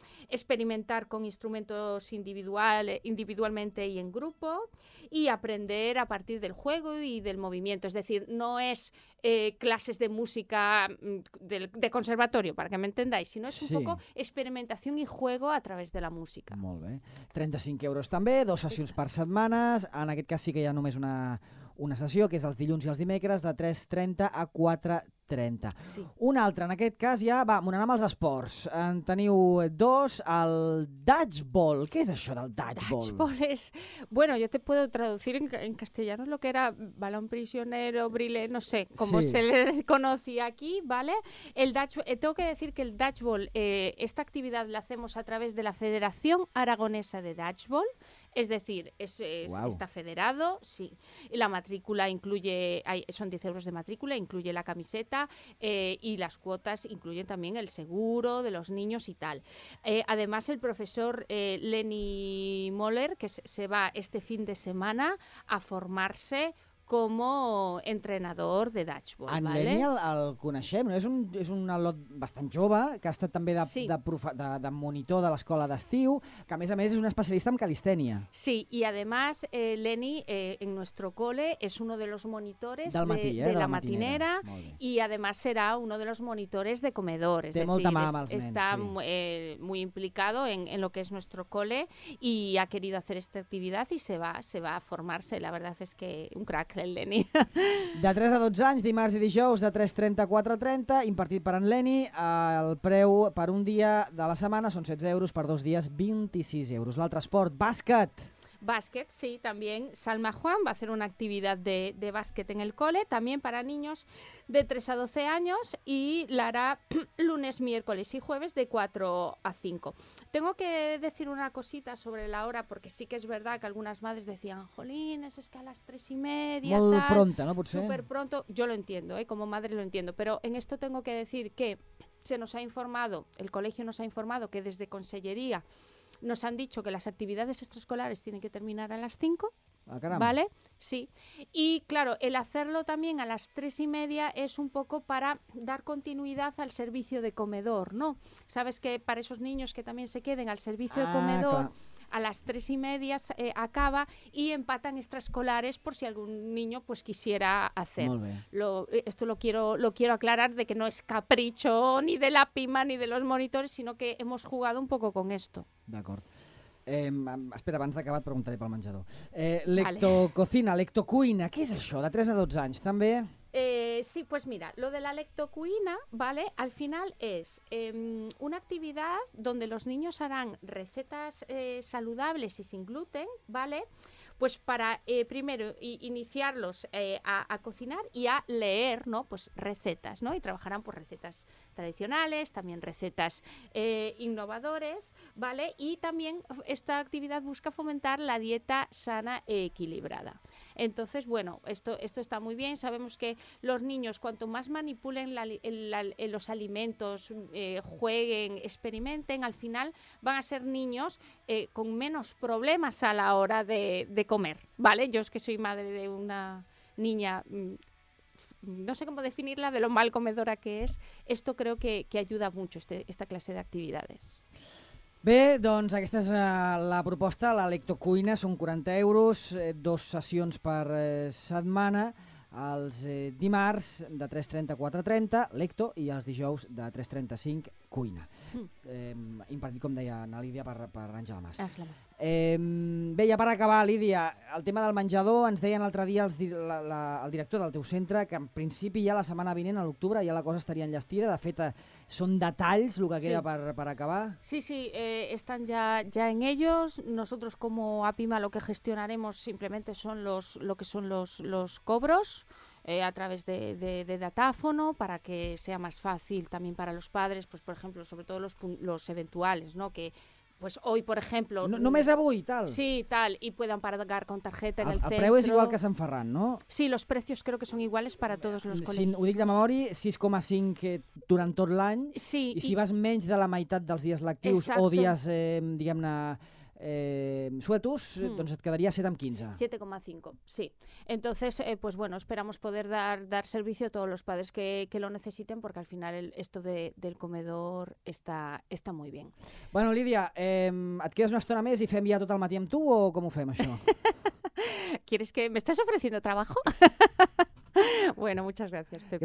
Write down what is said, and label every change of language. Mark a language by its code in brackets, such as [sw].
[es] Experimentar con instrumentos individualmente y en grupo y aprender a partir del juego y del movimiento. Es decir, no es clases de música de conservatorio, para que me entendáis, sino es un poco experimentación y juego a través de la música. [ca] Molt bé. 35 euros també, dos sessions per setmanes. En aquest cas sí que hi ha només una sessió, que és els dilluns i els dimecres, de 3:30 a 4:30. 30. Sí. Un altre, en aquest cas ja, va, anem als esports. En teniu dos, el dodgeball. Què és això del dodgeball? Dodgeball és... [es] Bueno, yo te puedo traducir en castellano lo que era balón prisionero, brilé, no sé, como sí. Se le conocía aquí, ¿vale? El dodgeball, tengo que decir que el dodgeball, esta actividad la hacemos a través de la Federación Aragonesa de Dodgeball. Es decir, wow. Está federado, sí. La matrícula incluye, son 10 euros de matrícula, incluye la camiseta y las cuotas incluyen también el seguro de los niños y tal. Además, el profesor Lenny Moller, que se va este fin de semana a formarse como entrenador de dodgeball. En ¿vale? [ca] Lenny el coneixem, no? és un alot bastant jove, que ha estat també de monitor de l'escola d'estiu, que a més és un especialista en calistènia. [es] Sí, i además Lenny en nuestro cole es uno de los monitores [ca] del matí, [es] de la matinera y además será uno de los monitores de comedor. [ca] Té molta mà amb els nens. [es] Está muy implicado en lo que es nuestro cole y ha querido hacer esta actividad y se va a formarse. La verdad es que un crack. [ca] De 3 a 12 anys, dimarts i dijous, de 3:30 a 4:30, impartit per en Lenny. El preu per un dia de la setmana són 16 euros, per dos dies 26 euros. L'altre esport, bàsquet. Bàsquet, sí, també. Salma Juan va fer una activitat de bàsquet en el cole, també per a nens de 3 a 12 anys, i l'harà [es] lunes, miércoles [ca] i jueves de 4 a 5. [es] Tengo que decir una cosita sobre la hora, porque sí que es verdad que algunas madres decían, jolines, es que a las 3:30, [ca] molt tal... Molt pronta, no? Potser. [es] Súper pronto. Yo lo entiendo, como madre lo entiendo, pero en esto tengo que decir que se nos ha informado, el colegio nos ha informado que desde Consellería nos han dicho que las actividades extraescolares tienen que terminar a las 5. Ah, caramba. ¿Vale? Sí. Y claro, el hacerlo también a las 3:30 es un poco para dar continuidad al servicio de comedor, ¿no? Sabes que para esos niños que también se queden al servicio de comedor, a las 3:30 acaba y empatan extraescolares por si algún niño pues quisiera hacer. [ca] Molt bé. [es] Esto lo quiero aclarar de que no es capricho ni de la pima ni de los monitores, sino que hemos jugado un poco con esto. [ca] D'acord. Espera, abans d'acabar et preguntaré pel menjador. Lectococina, vale. Lectocuina, què és això? De 3 a 12 anys, també? [es] Sí, pues mira, lo de la lectocuina, ¿vale? Al final es una actividad donde los niños harán recetas saludables y sin gluten, ¿vale? Pues para primero iniciarlos a cocinar y a leer, ¿no? Pues recetas, ¿no? Y trabajarán por recetas tradicionales, también recetas innovadores, ¿vale? Y también esta actividad busca fomentar la dieta sana e equilibrada. Entonces, bueno, esto está muy bien. Sabemos que los niños, cuanto más manipulen los alimentos, jueguen, experimenten, al final van a ser niños con menos problemas a la hora de comer, ¿vale? Yo es que soy madre de una niña... no sé cómo definirla, de lo mal comedora que es. Esto creo que ayuda mucho, esta clase de actividades. [ca] Bé, doncs aquesta és la proposta, la lectocuina, són 40 euros, dos sessions per setmana, els dimarts de 3:30 a 4:30, lecto, i els dijous de 3:35, cuina. Impartit, com deia la Lídia, per Àngela Mas. Bé, ja per acabar, Lídia, el tema del menjador, ens deia l'altre dia el director del teu centre que en principi ja la setmana vinent, a l'octubre, ja la cosa estaria enllestida. De fet, són detalls el que queda per acabar. [es] Sí, sí, estan ja en ellos. Nosotros como APIMA lo que gestionaremos simplemente son los cobros. A través de datáfono para que sea más fácil también para los padres, pues por ejemplo, sobre todo los eventuales, ¿no? Que pues hoy, por ejemplo... [ca] No, només avui, tal. [es] Sí, tal, y puedan pagar con tarjeta en el centro. [ca] El preu és igual que Sant Ferran, no? [es] Sí, los precios creo que son iguales para todos los colegios. [ca] Ho dic de memòria, 6,5 durant tot l'any, sí, i si vas menys de la meitat dels dies lectius. [es] Exacto. [ca] O dies, diguem-ne... [es] sueltos, entonces te quedaría 7,15. 7,5, sí. Entonces, pues bueno, esperamos poder dar servicio a todos los padres que lo necesiten, porque al final esto del comedor está muy bien. [ca] Bueno, Lídia, ¿et quedes una estona més i fem ja tot el matí amb tu o com ho fem, això? [es] ¿Quieres que me estás ofreciendo trabajo? Bueno, muchas gracias, Pepe.